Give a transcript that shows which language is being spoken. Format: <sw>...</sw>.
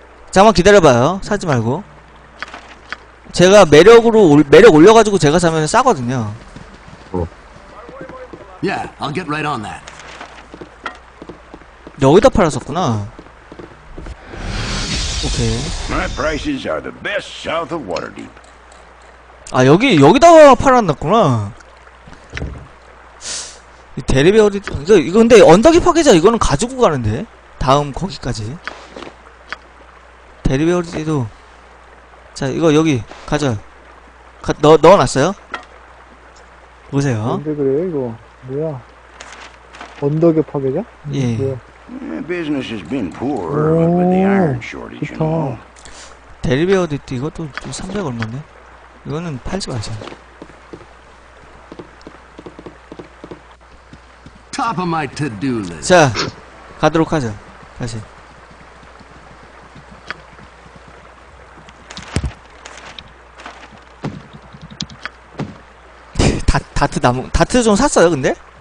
<ko>잠깐만 기다려봐요 사지 말고 제가 매력으로 매력 올려가지고 제가 사면 싸거든요</ko> <en>Yeah, I'll get right on that</en> <ko>여기다 팔았었구나 오케이</ko> <en>My prices are the best south of Waterdeep</en> <ko>아 여기다 팔았나구나 대립이 어디 이거 근데 언덕이 파괴자 이거는 가지고 가는데 다음 거기까지 데리베어리지도 자 이거 여기 가져 넣어놨어요 보세요 근데 그래 이거 뭐야 언덕의 파괴자? 예</ko> <en>business has been poor but with the iron shortage</en> <ko>좋다 데리베어리지 이것도 300 얼마네 이거는 팔지 마세요</ko> <en>top of my to do list</en> <ko>자 가도록 하죠 다시 다트 좀 샀어요 근데?</ko>